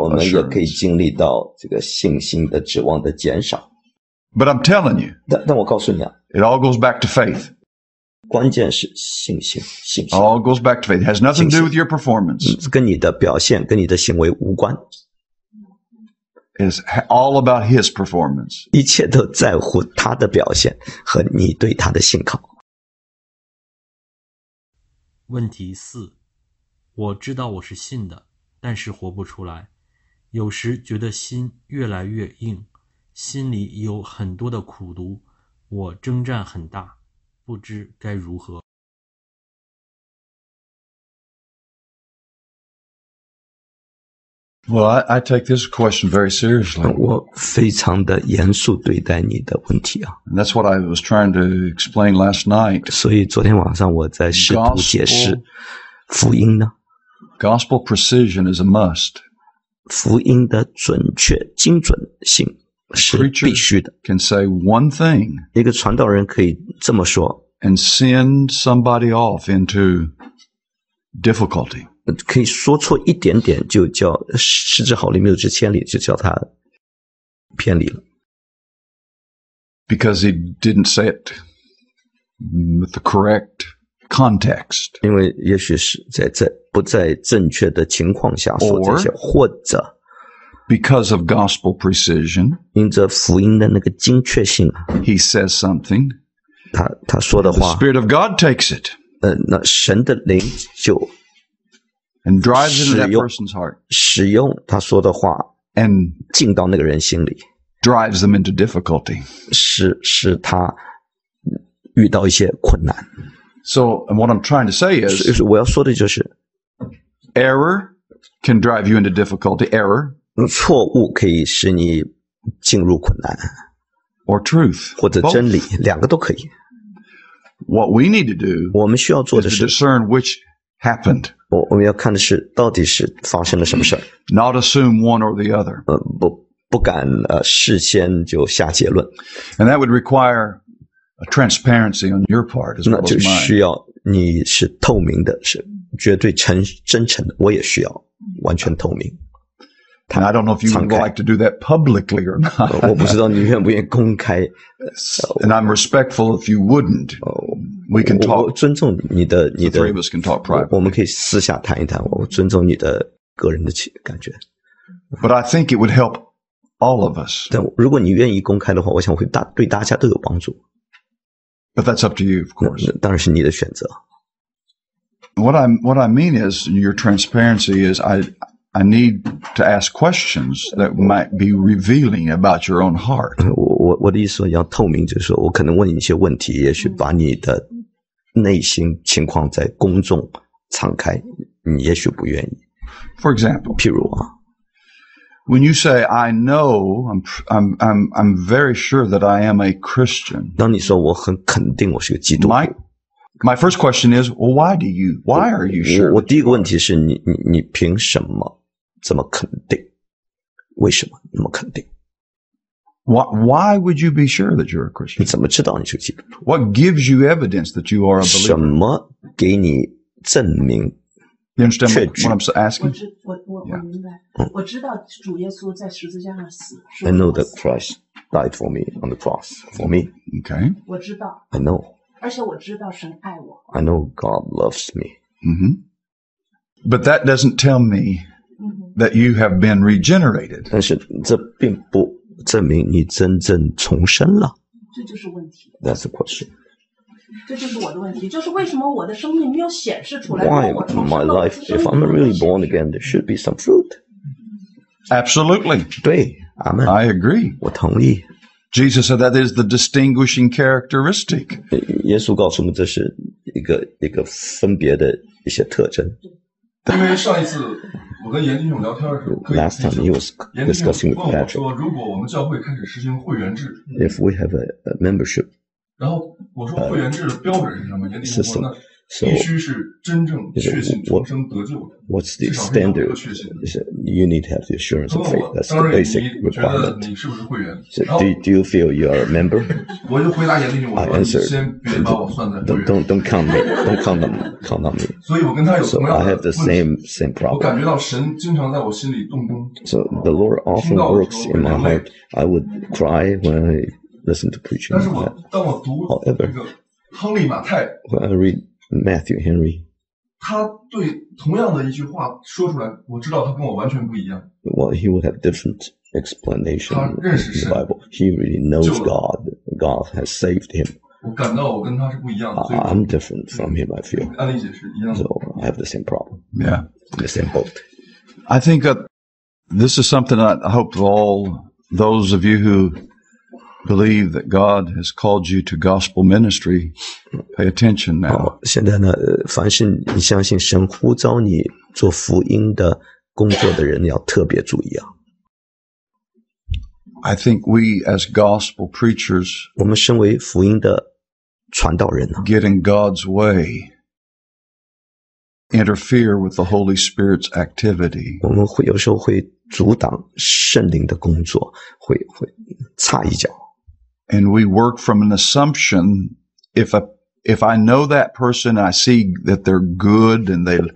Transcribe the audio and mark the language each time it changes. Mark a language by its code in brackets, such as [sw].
[zh] 我们也可以经历到这个信心的指望的减少。 [en] But I'm telling you. [zh] 但我告诉你啊。 [en] It all goes back to faith. [zh] 关键是信心，信心。 [en] All goes back to faith. It has nothing to do with your performance. [zh] 跟你的表现，跟你的行为无关。 [en] It's all about his performance. [zh] 一切都在乎他的表现和你对他的信靠。问题四，我知道我是信的，但是活不出来。有时觉得心越来越硬，心里有很多的苦毒，我征战很大。不知该如何。 [en] Well, I take this question very seriously. [zh] 我非常的严肃对待你的问题啊。 [en] And that's what I was trying to explain last night. [zh] 所以昨天晚上我在试图解释福音呢。 [en] Gospel precision is a must. [zh] 福音的准确精准性。是必须的。 [en] Can say one thing, [zh] 一个传道人可以这么说 [en] and send somebody off into difficulty. [zh] 可以说错一点点就叫失之毫厘谬之千里就叫他偏离了。 [en] Because he didn't say it with the correct context. [zh] 因为也许是在不在正确的情况下说这些 [en] or, [zh] 或者 [en] Because of gospel precision, [zh] 因着福音的那个精确性 [en] he says something. [zh] 他说的话 [en] the Spirit of God takes it. [zh] 那神的灵就 [en] and drives into that person's heart. [zh] 使用他说的话 [en] and [zh] 进到那个人心里 [en] drives them into difficulty. [zh] 使他遇到一些困难 [en] So, and what I'm trying to say is, [zh] 我要说的就是 [en] error can drive you into difficulty. Error. [zh] 错误可以使你进入困难 [en] or truth, [zh] 或者真理 [en] both. [zh] 两个都可以 [en] What we need to do [zh] 我们需要做的是 [en] is to discern which happened [zh] 我们要看的是到底是发生了什么事 [en] not assume one or the other [zh] 不敢事先就下结论 [en] and that would require a transparency on your part as well as mine [zh] 那就需要你是透明的是绝对真诚的我也需要完全透明 [en] And I don't know if you would like to do that publicly or not. [zh] 我不知道你愿不愿公开。 [en] And I'm respectful if you wouldn't. We can talk. [zh] 我尊重你的。 [en] The three of us can talk privately. [zh] 我们可以私下谈一谈。我尊重你的个人的感觉。 [en] But I think it would help all of us. [zh] 但如果你愿意公开的话，我想会对大家都有帮助。 [en] But that's up to you, of course. [zh] 当然是你的选择。 [en] What I mean is your transparency is I need to ask questions that might be revealing about your own heart. [zh] 我的意思说要透明，就是说我可能问你一些问题，也许把你的内心情况在公众敞开，你也许不愿意。 [en] For example, [zh] 譬如啊 [en] ，When you say I know, I'm very sure that I am a Christian. [zh] 当你说我很肯定我是个基督徒。 [en] My first question is, well, why are you sure? [zh] 我第一个问题是你凭什么这么肯定？为什么那么肯定？ [en] Why would you be sure that you're a Christian? [zh] 你怎么知道你是基督徒？ [en] What gives you evidence that you are a believer? [zh] 什么给你证明？ [en] You understand what I'm asking? [zh] 我明白。 [en] Yeah. [zh] 我知道主耶稣在十字架上死。 [en] I know that Christ died for me on the cross, for me. Okay. [zh] 我知道。 [en] I know. [zh] 而且我知道神爱我。 [en] I know God loves me. Mm-hmm. But that doesn't tell me that you have been regenerated. [zh] 但是这并不证明你真正重生了。这就是问题。 [en] That's the question. [zh] 这就是我的问题，就是为什么我的生命没有显示出来。 [en] Why in my life, if I'm really born again, there should be some fruit. Absolutely. [zh] 对，阿们。 [en] I agree. [zh] 我同意。 [en] Jesus said that is the distinguishing characteristic. [zh] 耶稣告诉我们这是一个分别的一些特征。因为上一次我跟严弟兄聊天的时候 [en] ，Last time he was discussing with Patrick. [zh] 说如果我们教会开始实行会员制 [en] ，If we have a membership. [zh] 然后我说会员制的标准是什么？严弟兄说那。 [en] So, [zh] 必须是真正确信重生得救的。 [en] What's the standard? You need to have the assurance of faith. That's the basic requirement. So, do you feel you are a member? I answered. Don't count me. Count on me. So I have the same problem. So the Lord often works in my heart. I would cry when I listen to preaching. However, when I readMatthew Henry. [zh] 他对同样的一句话说出来，我知道他跟我完全不一样。 [en] Well, he would have different explanation. [zh] 他认识神 [en] Bible. He really knows God. God has saved him. [zh] 我感到我跟他是不一样的。 [en] I'm different from him. I feel. [zh] 安理解是一样的。 [en] So I have the same problem. Yeah, the same boat. I think this is something that I hope all those of you who believe that God has called you to gospel ministry. Pay attention now. [zh] 现在呢，凡是你相信神呼召你做福音的工作的人，要特别注意啊。 [en] I think we as gospel preachers, [zh] 我们身为福音的传道人呢 [en] get in God's way, interfere with the Holy Spirit's activity. [zh] 我们会有时候会阻挡圣灵的工作，会插一脚。 [en] And we work from an assumption, if I know that person, I see that they're good and they,